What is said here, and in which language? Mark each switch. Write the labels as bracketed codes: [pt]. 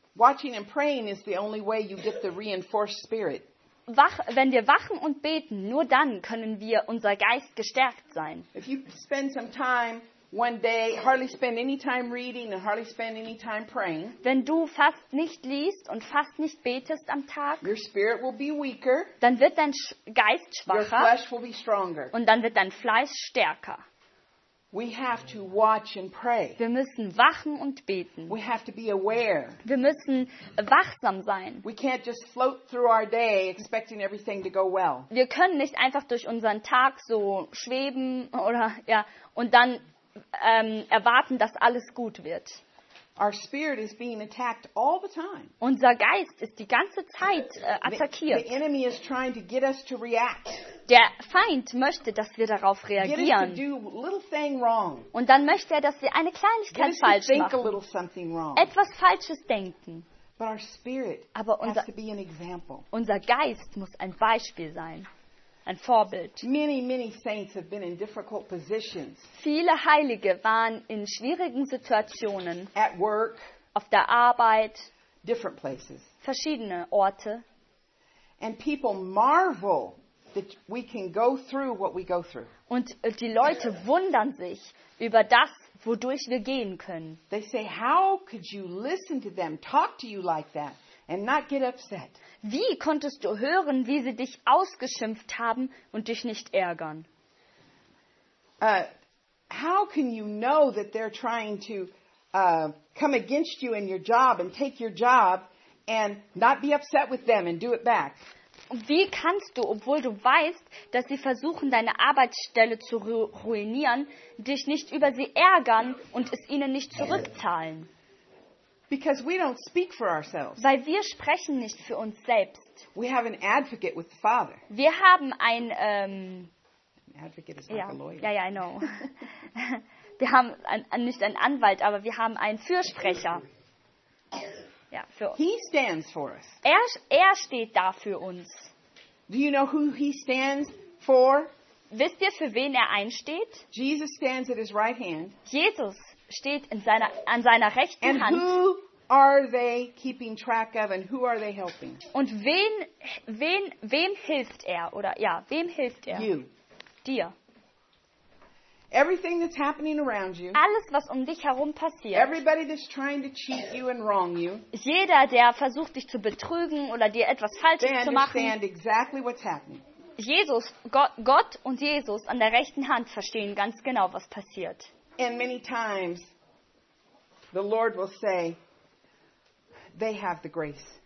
[en] Watching and praying is the only way you get the reinforced spirit. [de] Wenn wir wachen und beten, nur dann können wir unser Geist gestärkt sein. [en] If you spend some time one day, hardly spend any time reading and hardly spend any time praying. [de] Wenn du fast nicht liest und fast nicht betest am Tag, [en] your spirit will be weaker. [de] Dann wird dein Geist schwacher. [en] Your flesh will be stronger. [de] Und dann wird dein Fleisch stärker. [en] We have to watch and pray. [de] Wir müssen wachen und beten. [en] We have to be aware. [de] Wir müssen wachsam sein. [en] We can't just float through our day expecting everything to go well. [de] Wir können nicht einfach durch unseren Tag so schweben oder ja und dann erwarten, dass alles gut wird. [en] Our spirit is being attacked all the time. [de] Unser Geist ist die ganze Zeit attackiert. [en] The enemy is trying to get us to react. [de] Der Feind möchte, dass wir darauf reagieren. [en] Get us to do a little thing wrong. [de] Und dann möchte er, dass wir eine Kleinigkeit falsch machen. [en] Get us to think a little something wrong. [de] Etwas Falsches denken. [en] But our spirit [de] Aber unser, [en] has to be an example. [de] Unser Geist muss ein Beispiel sein. Ein Vorbild. [en] Many, many saints have been in difficult positions. [de] Viele Heilige waren in schwierigen Situationen. [en] At work, [de] auf der Arbeit. [en] Different places. [de] Verschiedene Orte. [en] And people marvel that we can go through what we go through. [de] Und die Leute wundern sich über das, wodurch wir gehen können. [en] They say, how could you listen to them talk to you like that and not get upset? [de] Wie konntest du hören, wie sie dich ausgeschimpft haben und dich nicht ärgern? [en] How can you know that they're trying to come against you in your job and take your job and not be upset with them and do it back? [de] Wie kannst du, obwohl du weißt, dass sie versuchen, deine Arbeitsstelle zu ruinieren, dich nicht über sie ärgern und es ihnen nicht zurückzahlen? [en] Because we don't speak for ourselves. [de] Weil wir sprechen nicht für uns selbst. [en] We have an advocate with the Father. [de] Wir haben ein [en] advocate is like [de] ja, [en] a lawyer. Ja, I know. [de] Wir haben nicht einen Anwalt, aber wir haben einen Fürsprecher. Ja, für uns. [en] He stands for us. [de] Er steht da für uns. [en] Do you know who he stands for? [de] Wisst ihr, für wen er einsteht? [en] Jesus stands at his right hand. [de] Jesus steht an seiner rechten [en] and [de] Hand. [en] Who are they keeping track of and who are they helping? [de] Und wem hilft er oder ja, wem hilft er? [en] You. [de] Dir. [en] Everything that's happening around you, [de] alles, was um dich herum passiert. [en] Everybody that's trying to cheat you and wrong you, [de] jeder, der versucht, dich zu betrügen oder dir etwas Falsches zu machen. [en] Exactly what's happening. [de] Jesus, Gott und Jesus an der rechten Hand verstehen ganz genau, was passiert. [en] And many times, the Lord will say, they have the grace.